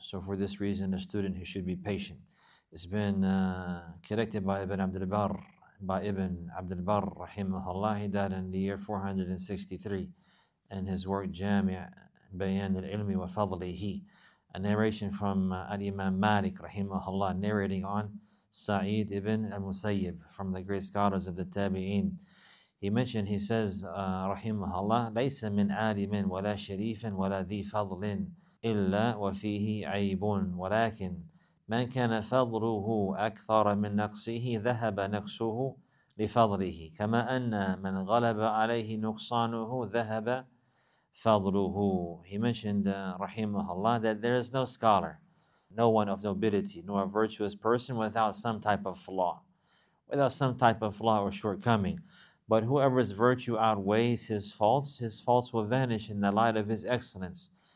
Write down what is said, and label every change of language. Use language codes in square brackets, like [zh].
[en] So for this reason, a student who should be patient. It's been collected by Ibn Abd al-Barr, rahimahullah. He died in the year 463, and his work, Jami' Bayan al-Ilmi wa Fadlihi, a narration from al-Imam Malik, rahimahullah, narrating on Sa'id ibn al-Musayyib from the great scholars of the Tabi'een. He mentioned, he says, [ar] رحمه الله, لَيْسَ مِنْ عَالِمٍ وَلَا شَرِيفٍ وَلَا ذِي فَضْلٍ إِلَّا وَفِيهِ عَيْبٌ وَلَكِنْ مَنْ كَانَ فَضْلُهُ أَكْثَرَ مِنْ نَقْصِهِ ذَهَبَ نَقْصُهُ لِفَضْلِهِ كَمَا أَنَّ مَنْ غَلَبَ عَلَيْهِ نُقْصَانُهُ ذَهَبَ فَضْلُهُ. [en] He mentioned, رحمه الله, that there is no scholar, no one of nobility, nor a virtuous person without some type of flaw or shortcoming. But whoever's virtue outweighs his faults will vanish in the light of his excellence.